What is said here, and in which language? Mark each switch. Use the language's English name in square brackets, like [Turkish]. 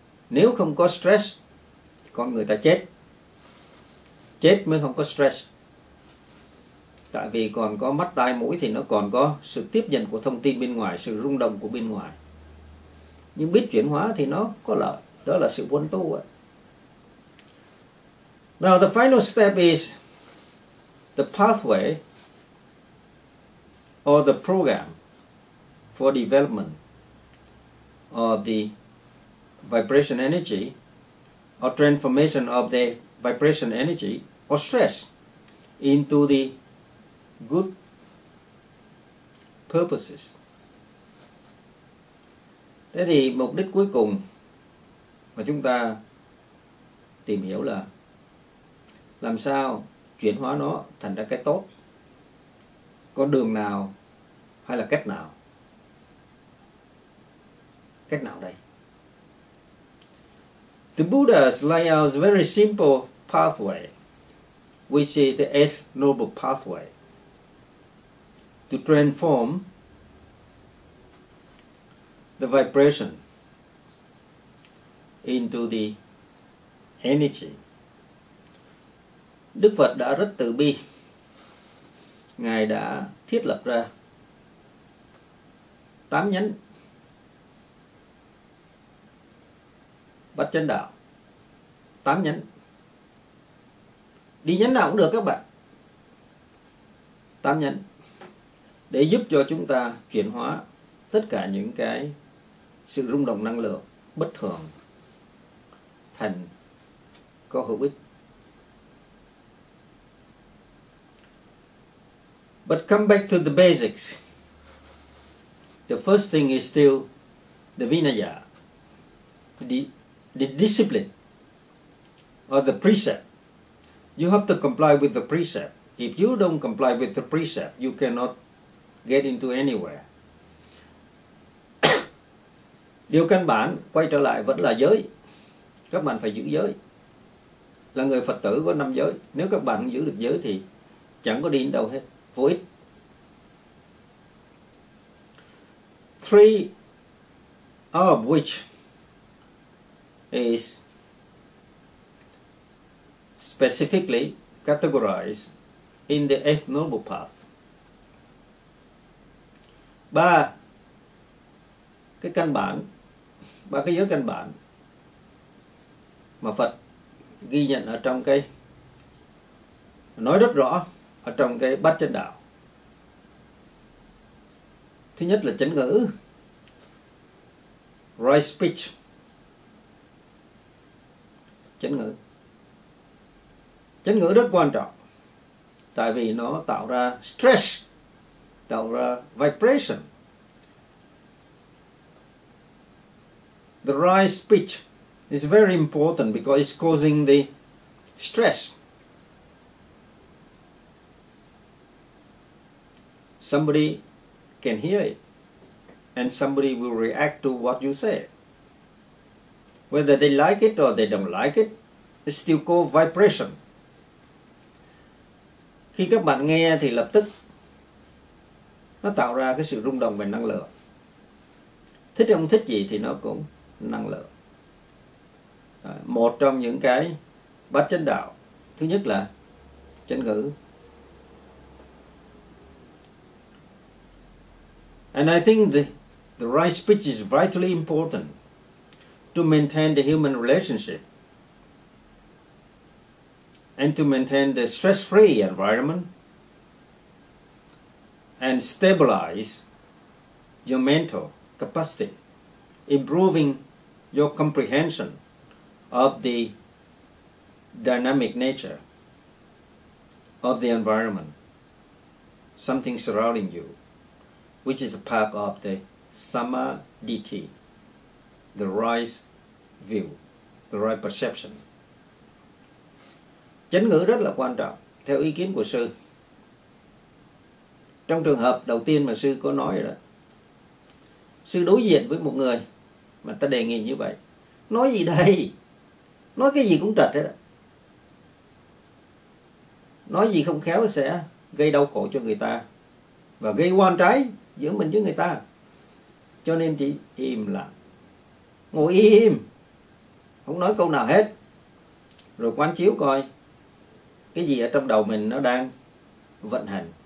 [Vietnamese] Nếu không có stress, con người ta chết. Chết mới không có stress. Tại vì còn có mắt, tai, mũi thì nó còn có sự tiếp nhận của thông tin bên ngoài, sự rung động của bên ngoài. Nhưng biết chuyển hóa thì nó có lợi. Đó là sự quân tu. [English] Now the final step is the pathway or the program for development or the vibration energy or transformation of the vibration energy or stress into the good purposes. [Vietnamese] Thế thì mục đích cuối cùng mà chúng ta tìm hiểu là làm sao chuyển hóa nó thành ra cái tốt. Có đường nào hay là cách nào? Cách nào đây? [English] The Buddha's lay out a very simple pathway, which is the Eight Noble Pathway, to transform the vibration into the energy. [Vietnamese] Đức Phật đã rất từ bi. Ngài đã thiết lập ra 8 nhánh Bát Chánh Đạo. 8 nhánh. Đi nhánh nào cũng được các bạn. 8 nhánh để giúp cho chúng ta chuyển hóa tất cả những cái sự rung động năng lượng bất thường thành có hữu ích. [English] But come back to the basics. The first thing is still the Vinaya, the discipline or the precept. You have to comply with the precept. If you don't comply with the precept, you cannot get into anywhere. [Vietnamese] Điều căn bản quay trở lại vẫn là giới. Các bạn phải giữ giới. Là người Phật tử có 5 giới. Nếu các bạn không giữ được giới thì chẳng có đi đến đâu hết, vô ích. [English] 3 of which is specifically categorized in the Eighth Noble Path. [Vietnamese] 3 cái căn bản, 3 cái giới căn bản mà Phật ghi nhận ở trong cái, nói rất rõ ở trong cái Bát Chánh Đạo. Thứ nhất là chánh ngữ, [English] right speech, [Vietnamese] chánh ngữ. Chánh ngữ rất quan trọng, tại vì nó tạo ra stress, tạo ra vibration. [English] The right speech is very important because it's causing the stress. Somebody can hear it, and somebody will react to what you say. Whether they like it or they don't like it, it's still called vibration. [Vietnamese] Khi các bạn nghe thì lập tức nó tạo ra cái sự rung động về năng lượng. Thích không thích gì thì nó cũng năng lượng. Một trong những cái Bát Chánh Đạo, thứ nhất là chánh ngữ. [English] And I think the right speech is vitally important to maintain the human relationship. and to maintain the stress-free environment and stabilize your mental capacity, improving your comprehension of the dynamic nature of the environment, something surrounding you, which is a part of the samadhi, the right view, the right perception. [Vietnamese] Chánh ngữ rất là quan trọng, theo ý kiến của sư. Trong trường hợp đầu tiên mà sư có nói rồi đó, sư đối diện với một người mà ta đề nghị như vậy, nói gì đây, nói cái gì cũng trật hết đó, nói gì không khéo sẽ gây đau khổ cho người ta và gây oan trái giữa mình với người ta, cho nên chỉ im lặng, ngồi im, không nói câu nào hết, rồi quán chiếu coi cái gì ở trong đầu mình nó đang vận hành.